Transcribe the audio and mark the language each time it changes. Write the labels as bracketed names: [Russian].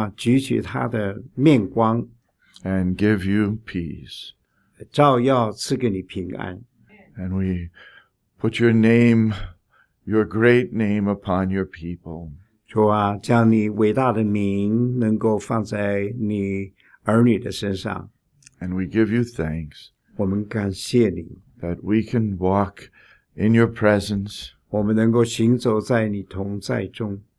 [Chinese] 愿主向你举起他的面光。 [English] And give you peace. [Chinese] 照耀赐给你平安。 [English] And we put your name, your great name upon your people. [Chinese] 主啊, 将你伟大的名能够放在你儿女的身上。 [English] And we give you thanks. [Chinese] 我们感谢你。 [English] That we can walk in your presence. [Chinese] 我们能够行走在你同在中。